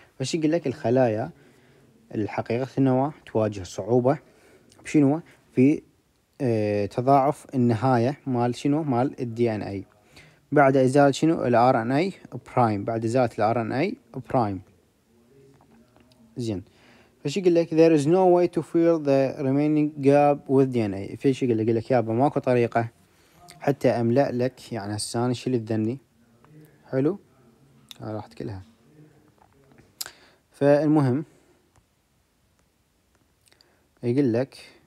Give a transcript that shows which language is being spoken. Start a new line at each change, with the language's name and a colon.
Arabic: بس يقول لك الخلايا الحقيقة النواة تواجه صعوبة بشنو؟ في تضاعف النهاية مال شنو؟ مال الدي ان اي بعد ازالة شنو؟ الار ان اي برايم، بعد ازالة الار ان اي برايم. زين، فش يقول لك؟
English: there is no way to fill the remaining gap with DNA.
Arabic: فش يقول لك؟ يقول لك يابا ماكو طريقة حتى املأ لك، يعني هساني شيل الذني، حلو، راحت كلها. فالمهم يقول لك